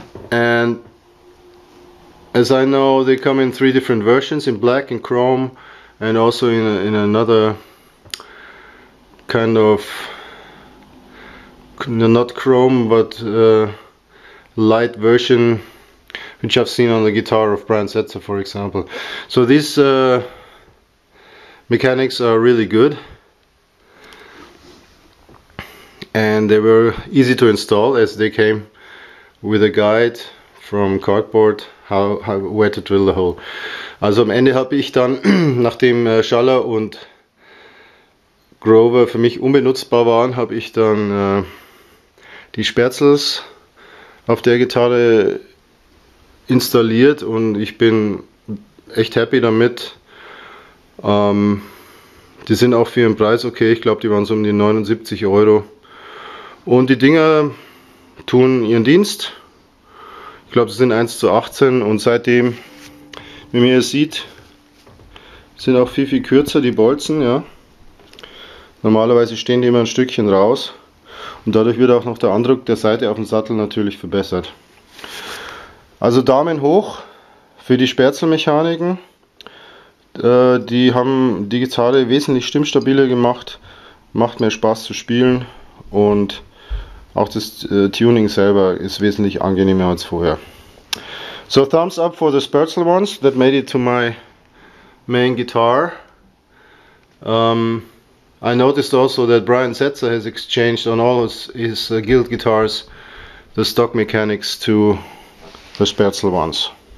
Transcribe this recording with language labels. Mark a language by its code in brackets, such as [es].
[en] And as I know, they come in three different versions, in black and chrome, and also in another kind of not chrome but light version, which I've seen on the guitar of Brian Setzer, for example. So these mechanics are really good, and they were easy to install as they came with a guide from cardboard, where to drill the hole. [de] Also am Ende habe ich dann, nachdem Schaller und Grover für mich unbenutzbar waren, habe ich dann die Spörzls auf der Gitarre installiert, und ich bin echt happy damit. Die sind auch für ihren Preis okay. Ich glaube, die waren so um die 79 Euro. Und die Dinger tun ihren Dienst. Ich glaube, sie sind 1 zu 18. Und seitdem, wie man hier sieht, sind auch viel, viel kürzer die Bolzen, ja. Normalerweise stehen die immer ein Stückchen raus. Und dadurch wird auch noch der Andruck der Seite auf dem Sattel natürlich verbessert. Also Daumen hoch für die Sperrzelmechaniken. Die haben die Gitarre wesentlich stimmstabiler gemacht. Macht mehr Spaß zu spielen. Und auch das Tuning selber ist wesentlich angenehmer als vorher. [en] So, thumbs up for the Spurzel ones that made it to my main guitar. I noticed also that Brian Setzer has exchanged on all his Guild guitars the stock mechanics to the Spurzel ones.